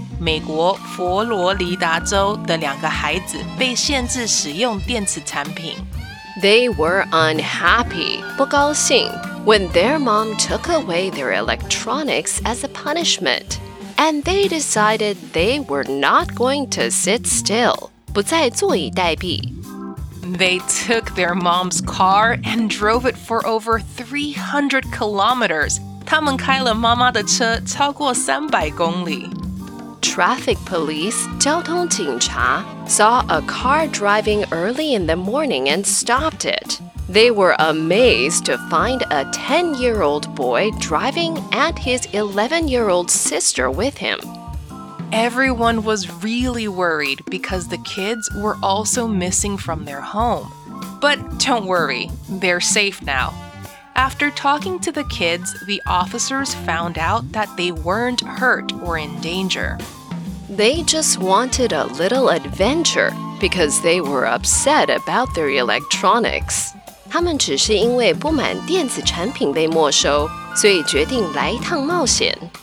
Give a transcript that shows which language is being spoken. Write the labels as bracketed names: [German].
[Chinese] 美国佛罗里达州的两个孩子被限制使用电子产品。 [English] They were unhappy, [Chinese] 不高兴, [English] when their mom took away their electronics as a punishment. And they decided they were not going to sit still. [Chinese] 不再坐以待毙。 [English] They took their mom's car and drove it for over 300 kilometers. [Chinese] 他们开了妈妈的车超过300公里。 [English] Traffic police, [Chinese] 交通警察, [English] saw a car driving early in the morning and stopped it. They were amazed to find a 10-year-old boy driving and his 11-year-old sister with him. everyone was really worried because the kids were also missing from their home. But don't worry, they're safe now. After talking to the kids, the officers found out that they weren't hurt or in danger. They just wanted a little adventure because they were upset about their electronics. [Chinese] 他们只是因为不满电子产品被没收，所以决定来一趟冒险。